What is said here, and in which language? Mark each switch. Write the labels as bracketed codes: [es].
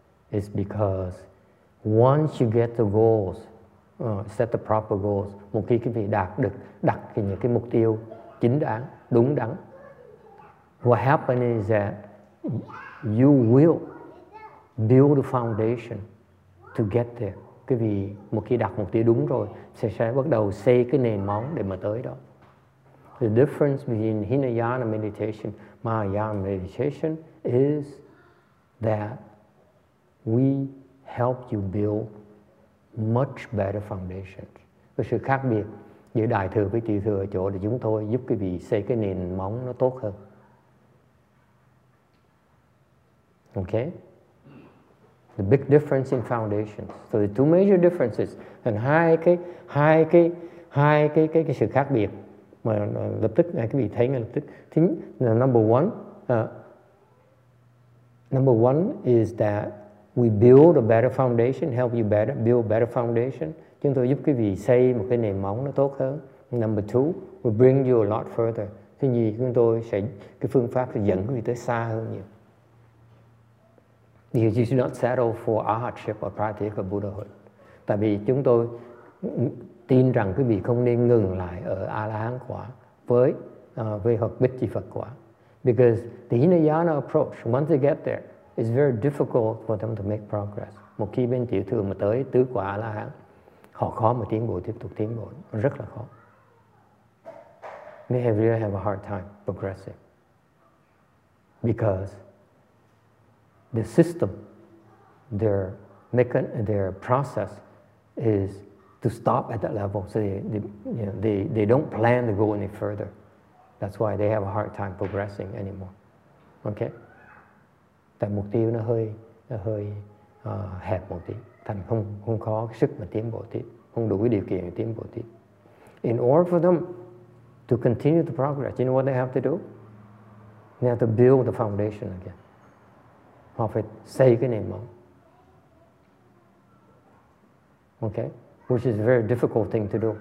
[en] It's because once you get the goals, set the proper goals, [vi] một khi cái gì đạt được, đặt thì những cái mục tiêu chính đáng, đúng đắn. [en] What happens is that you will build the foundation to get there. [vi] Cái vì một khi đặt mục tiêu đúng rồi, sẽ bắt đầu xây cái nền móng để mà tới đó. [en] The difference between Hinayana meditation, Mahayana meditation is that we help you build much better foundations. [vi] Cái sự khác biệt giữa Đại Thừa với Tiểu Thừa ở chỗ là chúng tôi giúp quý vị xây cái nền móng nó tốt hơn. [en] Okay? The big difference in foundations. So the two major differences and [vi] hai cái sự khác biệt mà lập tức ngay quý vị thấy ngay lập tức. Thứ nhất, [en] number one is that we build a better foundation, help you better build better foundation. [vi] Chúng tôi giúp quý vị xây một cái nền móng nó tốt hơn. [en] Number two, we bring you a lot further. [vi] Thứ nhì, chúng tôi sẽ cái phương pháp sẽ dẫn quý vị tới xa hơn nhiều. [en] Because you should not settle for arhatship or practice of Buddhahood. [vi] Tại vì chúng tôi tin rằng quý vị không nên ngừng lại ở A-la-hán quả với hoặc Bích Chi Phật quả. [en] Because the Hinayana approach, once they get there, it's very difficult for them to make progress. [vi] Một khi bên Tiểu Thừa mà tới tứ quả A-la-hán, họ khó mà tiến bộ, tiếp tục tiến bộ, rất là khó. [en] They really have a hard time progressing. Because the system, their process is to stop at that level. So they don't plan to go any further. That's why they have a hard time progressing anymore. Okay? [vi] Tại mục tiêu nó hơi hẹp một tí. Thành không có sức mà tiến bộ tiếp. Không đủ điều kiện để tiến bộ tiếp. [en] In order for them to continue the progress, you know what they have to do? They have to build the foundation again. [vi] Họ phải xây cái nền móng. [en] Okay? Which is a very difficult thing to do.